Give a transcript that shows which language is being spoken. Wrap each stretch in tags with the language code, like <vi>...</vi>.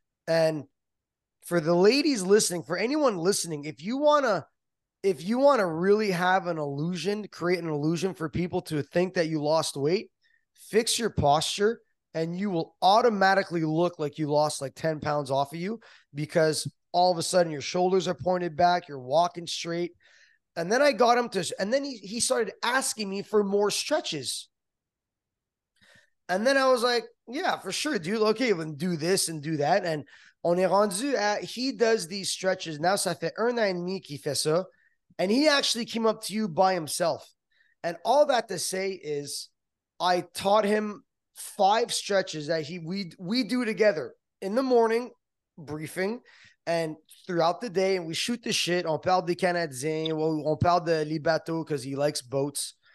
<en>And for the ladies listening, for anyone listening, if you wanna really have an illusion, create an illusion for people to think that you lost weight, fix your posture and you will automatically look like you lost like 10 pounds off of you, because all of a sudden your shoulders are pointed back, you're walking straight. And then I got him to, and then he started asking me for more stretches. And then I was like, yeah, for sure, dude. Okay, well, do this and do that. And</en> <fr>on est rendu</fr> <en>at, he does these stretches.</en> <fr>Now, ça fait un an et demi qu'il fait ça.</fr> <en>And he actually came up to you by himself. And all that to say is I taught him 5 stretches that we do together in the morning, briefing, and throughout the day. And we shoot the shit.</en> <fr>On parle des Canadiens. On parle de les bateaux</fr> <en>because he likes boats.</en>